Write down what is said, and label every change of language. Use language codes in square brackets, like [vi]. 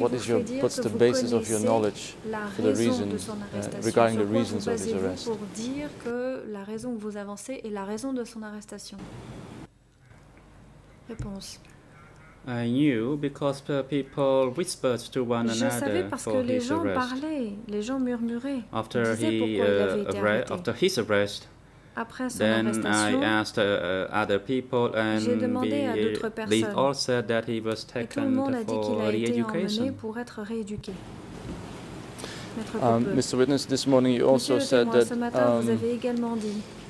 [en] What's the basis of your knowledge for the reason, regarding the reasons of his arrest? [fr] Pour dire que la raison que vous avancez est la raison de son arrestation. Réponse. [en] I knew because people whispered to one another for his arrest. [fr] Je savais parce que les gens parlaient, les gens murmuraient. [en] After he after his arrest, [fr] après son [en] then [fr] arrestation, [en] I asked other people, and they all said that he was taken for re-education. [fr] Pour être rééduqué. [en] Mr. Witness, this morning you also said that [fr] Vous avez également dit